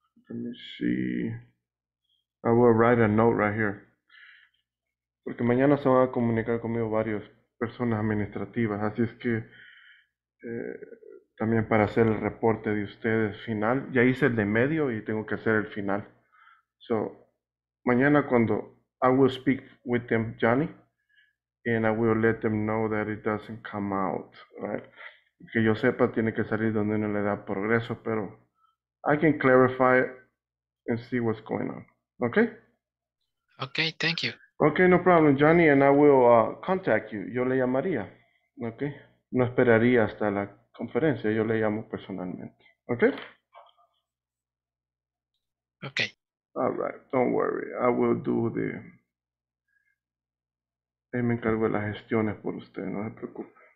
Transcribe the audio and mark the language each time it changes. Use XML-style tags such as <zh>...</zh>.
<en>Let me see. I will write a note right here.</en> <es>Porque mañana se van a comunicar conmigo varias personas administrativas, así es que también para hacer el reporte de ustedes final. Ya hice el de medio y tengo que hacer el final.</es> <en>So,</en> <es>mañana cuando</es> <en>I will speak with them, Johnny, And I will let them know that it doesn't come out, right?</en> <es>Que yo sepa, tiene que salir donde no le da progreso, pero</es> <en>I can clarify and see what's going on, okay? Okay, thank you. Okay, no problem, Johnny, and I will contact you.</en> <es>Yo le llamaría, okay? No esperaría hasta la conferencia, yo le llamo personalmente, okay? Okay.</es> <en>All right, don't worry, I will do the...</en> <es>Ahí me encargo de las gestiones por usted, no se preocupe.</es>